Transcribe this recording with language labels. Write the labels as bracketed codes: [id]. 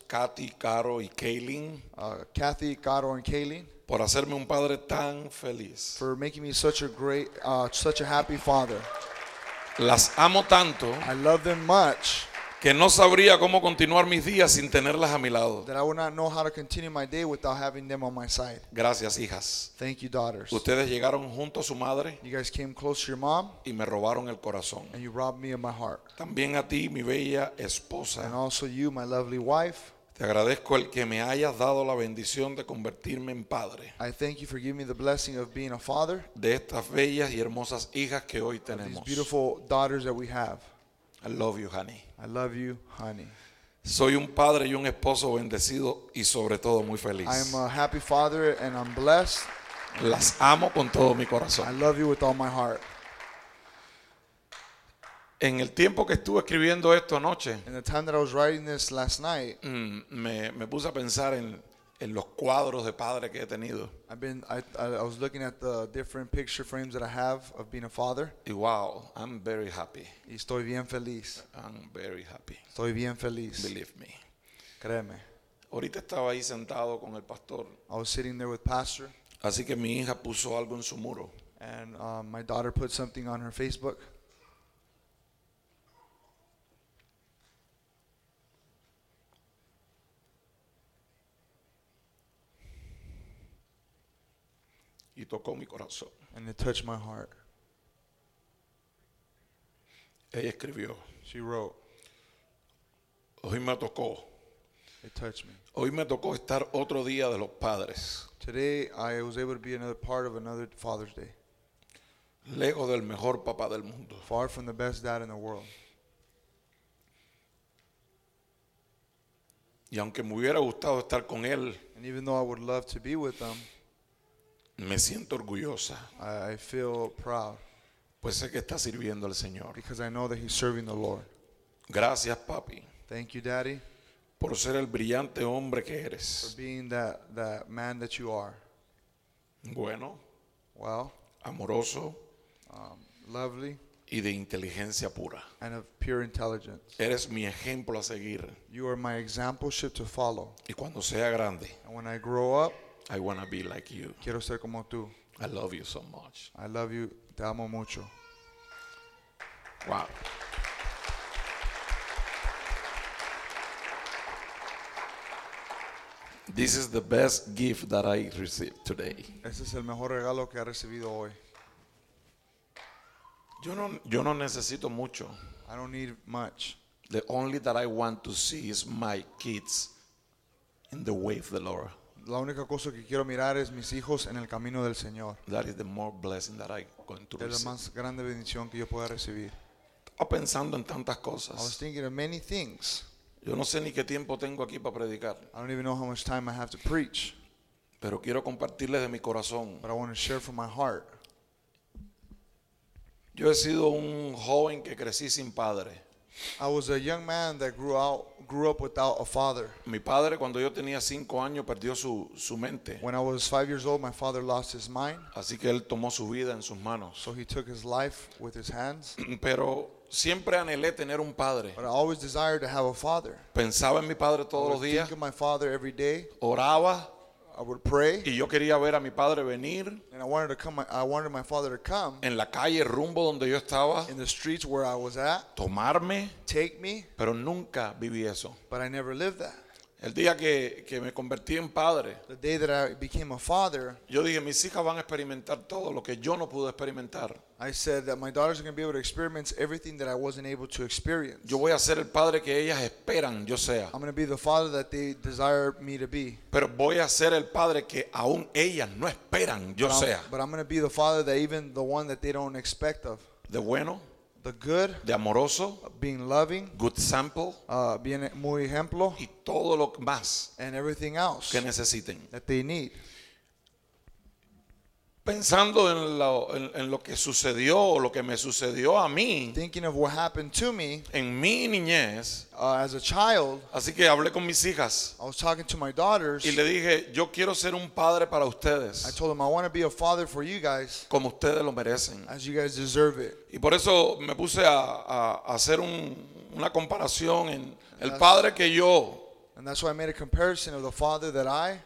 [es] Kathy, Caro y Kaylin. [en] Kathy, Caro and Kaylin. [es] Por hacerme un padre tan feliz. [en] For making me such a great, such a happy father. [es] Las amo tanto. [en] I love them much. [es] Que no sabría cómo continuar mis días sin tenerlas a mi lado. [en] That I would not know how to continue my day without having them on my side. [es] Gracias, hijas. [en] Thank you, daughters. [es] Ustedes llegaron junto a su madre. [en] You guys came close to your mom. [es] Y me robaron el corazón. [en] And you robbed me of my heart. [es] También a ti, mi bella esposa. [en] And also you, my lovely wife. [es] Te agradezco el que me hayas dado la bendición de convertirme en padre. [en] I thank you for giving me the blessing of being a father. [es] De estas bellas y hermosas hijas que hoy tenemos. [en] These beautiful daughters that we have. I love you, honey. I love you, honey. [es] Soy un padre y un esposo bendecido y sobre todo muy feliz. [en] I am a happy father and I'm blessed. [es] Las amo con todo mi corazón. [en] I love you with all my heart. [es] En el tiempo que estuve escribiendo esto anoche, [en] in the time that I was writing this last night, [es] me puse a pensar en los cuadros de padre que he tenido. [en] I was looking at the different picture frames that I have of being a father. Y wow, I'm very happy. [es] Y estoy bien feliz. [en] I'm very happy. [es] Estoy bien feliz. [en] Believe me. [es] Créeme. Ahorita estaba ahí sentado con el pastor. [en] I was sitting there with pastor. [es] Así que mi hija puso algo en su muro. [en] And my daughter put something on her Facebook. [es] Y tocó mi corazón. [en] And it touched my heart. [es] Ella escribió. [en] She wrote. [es] Hoy me tocó. [en] It touched me. [es] Hoy me tocó estar otro día de los padres. [en] Today I was able to be another part of another Father's Day. [es] Lejos del mejor papá del mundo. [en] Far from the best dad in the world. [es] Y aunque me hubiera gustado estar con él. [en] And even though I would love to be with him. [es] Me siento orgullosa. [en] I feel proud. [es] Pues sé que está sirviendo al Señor. [en] Because I know that he's serving the Lord. [es] Gracias, papi. [en] Thank you, daddy. [es] Por ser el brillante hombre que eres. [en] For being that man that you are. [es] Bueno. [en] Well. [es] Amoroso. [en] Lovely. [es] Y de inteligencia pura. [en] And of pure intelligence. [es] Eres mi ejemplo a seguir. [en] You are my exampleship to follow. [es] Y cuando sea grande. [en] And when I grow up. I want to be like you. [es] Quiero ser como tú. [en] I love you so much. I love you. [es] Te amo mucho. [en] Wow. This is the best gift that I received today. [es] Este es el mejor regalo que he recibido hoy. Yo no necesito mucho. [en] I don't need much. The only that I want to see is my kids in the way of the Lord. [es] la única cosa que quiero mirar es mis hijos en el camino del Señor. [en] That is the more blessing that I going to receive. [es] Es la más grande bendición que yo pueda recibir. Estaba pensando en tantas cosas. [en] I was thinking of many things. [es] Yo no sé ni qué tiempo tengo aquí para predicar. [en] I don't even know how much time I have to preach. [es] Pero quiero compartirles de mi corazón. [en] But I want to share from my heart. [es] Yo he sido un joven que crecí sin padre. [en] I was a young man that grew up without a father. [es] Mi padre, cuando yo tenía 5 años, perdió su mente. [en] When I was 5 years old, my father lost his mind. [es] Así que él tomó su vida en sus manos. [en] So he took his life with his hands. [es] Pero siempre anhelé tener un padre. [en] But I always desired to have a father. [es] Pensaba en mi padre todos los días. [en] I would think of my father every day. [es] Oraba. [en] I would pray. [es] Y yo quería ver a mi padre venir. [en] And I wanted to come. I wanted my father to come. [es] En la calle rumbo donde yo estaba. [en] In the streets where I was at. [es] Tomarme. [en] Take me. [es] Pero nunca viví eso. [en] But I never lived that. [es] El día que me convertí en padre. [en] The day that I became a father. [es] Yo dije, mis hijas van a experimentar todo lo que yo no pude experimentar. [en] I said that my daughters are going to be able to experience everything that I wasn't able to experience. [es] Yo voy a ser el padre que ellas esperan yo sea. [en] I'm going to be the father that they desire me to be. [es] Pero voy a ser el padre que aún ellas no esperan yo sea. [en] But I'm going to be the father that even the one that they don't expect of. [es] De bueno. [en] The good. [es] De amoroso. [en] Being loving. Good sample. [es] Bien muy ejemplo. Y todo lo más. [en] And everything else. [es] Que necesiten. [en] That they need. [es] Pensando en lo que sucedió o lo que me sucedió a mí. [en] Thinking of what happened to me. [es] En mi niñez. [en] As a child. [es] Así que hablé con mis hijas. [en] I was talking to my daughters. [es] Y le dije, yo quiero ser un padre para ustedes. [en] I told them I want to be a father for you guys. [es] Como ustedes lo merecen. [en] As you guys deserve it. [es] Y por eso me puse a hacer una comparación en el padre que yo. [en] And that's why I made a comparison of the father that I